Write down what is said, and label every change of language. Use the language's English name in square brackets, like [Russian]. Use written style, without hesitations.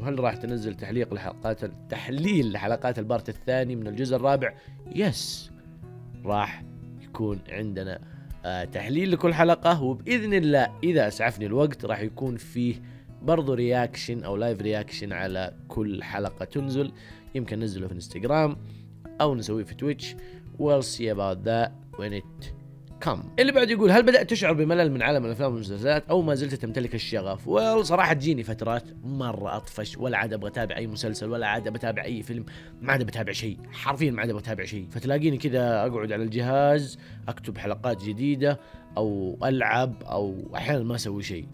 [Arabic] وهل راح تنزل تحليق لحلقات التحليل لحلقات البارت الثاني من الجزء الرابع؟ يس، راح يكون عندنا تحليل لكل حلقة، وبإذن الله إذا أسعفني الوقت راح يكون فيه برضو رياكشن أو لايف رياكشن على كل حلقة تنزل. يمكن ننزله في انستغرام أو نسويه في تويتش. [English] We'll see about that when it comes. [Arabic] اللي بعد يقول، هل بدأت تشعر بملل من عالم الأفلام والمسلسلات أو ما زلت تمتلك الشغف؟ Well صراحة تجيني فترات مرة أطفش، ولا عاد أبغى أتابع أي مسلسل، ولا عاد أتابع أي فيلم، ما عاد أتابع شيء، حرفيا ما عاد أتابع شيء. فتلاقيني كذا أقعد على الجهاز أكتب حلقات جديدة او العب او احيانا ما اسوي شيء.